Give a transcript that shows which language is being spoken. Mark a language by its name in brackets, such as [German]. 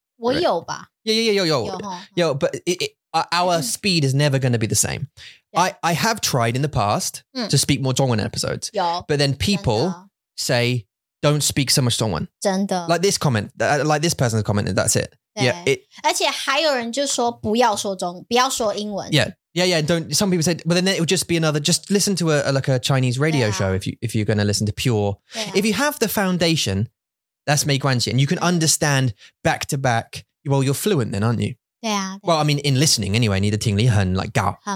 [Chinese] 我有吧. [English] Right? Yo, but our speed is never going to be the same. I have tried in the past to speak more 中文 episodes. But then people say, don't speak so much 中文. [Chinese] 真的. [English] Like this comment, like this person's comment, that's it. Yeah. [Chinese] 而且还有人就说不要说英文. [English] Yeah. Yeah, don't, some people said, but then it would just be another, just listen to a Chinese radio show if you're going to listen to pure. Yeah. If you have the foundation, that's mei guanxi, and you can understand back to back, well, you're fluent then, aren't you? Yeah. Well, I mean, in listening anyway, [Chinese] 你的听力很, [English] like, gao.